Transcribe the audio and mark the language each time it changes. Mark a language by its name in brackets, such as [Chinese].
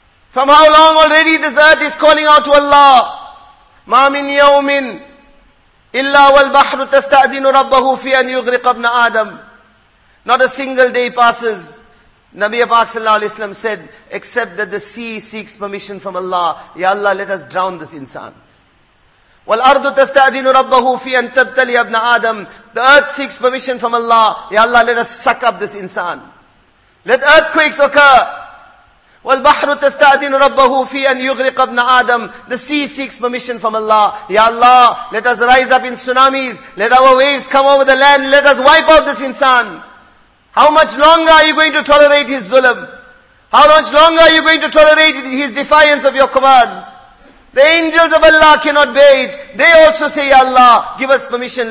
[English] From how long already this earth is calling out to Allah? [Arabic] مَا مِنْ يَوْمٍ إِلَّا وَالْبَحْرُ تَسْتَأْذِنُ رَبَّهُ فِي أَنْ يُغْرِقَ ابْنَ آدَمْ [English] Not a single day passes, Nabi Pak sallallahu alayhi wa sallam said, except that the sea seeks permission from Allah. Ya Allah, let us drown this insan. [Arabic] وَالْأَرْضُ تَسْتَأْذِنُ رَبَّهُ فِي أَنْ تَبْتَلِيَ ابْنَ آدَمْ [English] The earth seeks permission from Allah. Ya Allah, let us suck up this insan. Let earthquakes occur. [Arabic] وَالْبَحْرُ تَسْتَأْذِنُ رَبَّهُ فِي أَنْ يُغْرِقَ ابْنَ آدَمْ [English] The sea seeks permission from Allah. Ya Allah, let us rise up in tsunamis. Let our waves come over the land. Let us wipe out this insan. How much longer are you going to tolerate his zulm? How much longer are you going to tolerate his defiance of your commands? The angels of Allah cannot bear it. They also say, Ya Allah, give us permission.